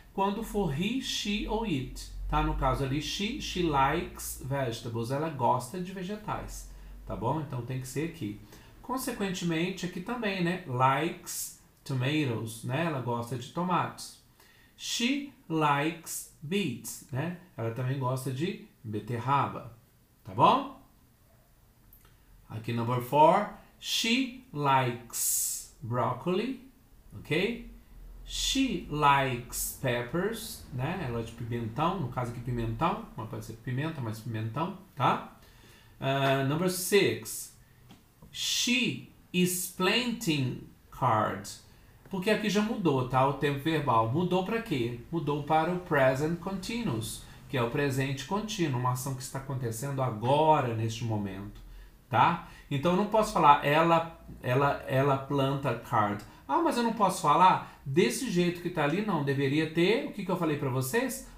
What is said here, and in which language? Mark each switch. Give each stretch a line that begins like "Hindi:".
Portuguese: Quando for he, she ou it. Tá, no caso ali,
English: she likes vegetables,
Portuguese: ela gosta de vegetais, tá bom? Então tem que ser aqui. Consequentemente, aqui também, né? Likes tomatoes, né? Ela gosta de tomates.
English: She likes beets,
Portuguese: né? Ela também gosta de beterraba, tá bom?
English: Aqui, number four, she likes broccoli, ok? She likes peppers, né?
Portuguese: Ela é de pimentão, no caso aqui pimentão, mas pode ser pimenta, mas pimentão, tá?
English: Number six, she is planting cards.
Portuguese: Porque aqui já mudou, tá? O tempo verbal. Mudou para quê? Mudou para o present continuous, que é o presente contínuo, uma ação que está acontecendo agora, neste momento, tá? Então eu não posso falar ela planta card. Ah, mas eu não posso falar desse jeito que tá ali, não. Deveria ter, o que que eu falei pra vocês?